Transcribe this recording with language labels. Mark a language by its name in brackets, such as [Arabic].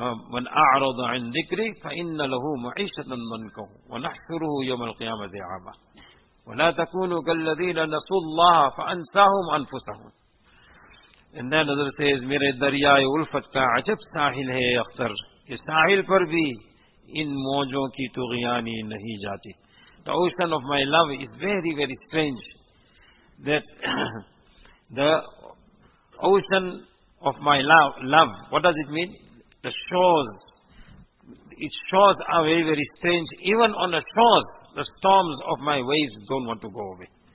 [Arabic] من أعرض عن ذكري فإن له معيشة ضنكا ونحشره يوم القيامة عاما ولا تكونوا كالذين نسوا الله فأنساهم أنفسهم. [English] And then Hazrat says, [Urdu] میرے دریائے الفت کا عجب ساحل ہے اختر, کہ ساحل پر بھی ان موجوں کی طغیانی نہیں جاتی. [English] The ocean of my love is very very strange, that the ocean of my love, what does it mean? The shores, its shores are very, very strange. Even on the shores, the storms of my waves don't want to go away.